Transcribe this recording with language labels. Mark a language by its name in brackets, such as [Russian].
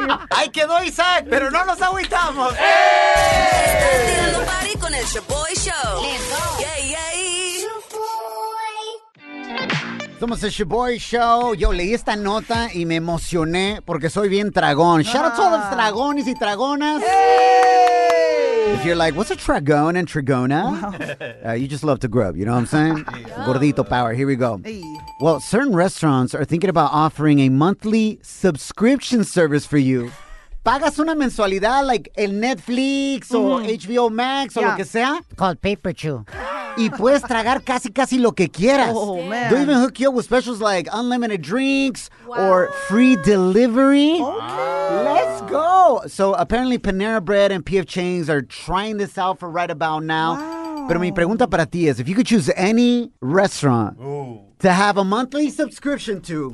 [Spanish] Ahí quedó Isaac, pero no nos agüitamos. ¡Eh! Estás tirando party con el Chavoy Show. Somos el Chavoy Show. Yo leí esta nota y me emocioné porque soy bien dragón. [English] Shout out to all those dragones y dragonas. Hey! If you're like, what's a dragón and trigona? Wow. You just love to grub, you know what I'm saying? Yeah. Gordito power, here we go. Hey. Well, certain restaurants are thinking about offering a monthly subscription service for you. [Spanish] Pagas una mensualidad like el Netflix o HBO Max o lo que sea. [English] Called Paper Chew. [Spanish] Y puedes tragar casi lo que quieras. [English] Oh, man. They even hook you up with specials like unlimited drinks or free delivery. Okay. Let's go. So apparently Panera Bread and PF Chang's are trying this out for right about now. Wow. [Spanish] Pero mi pregunta para ti es, [English] if you could choose any restaurant to have a monthly subscription to,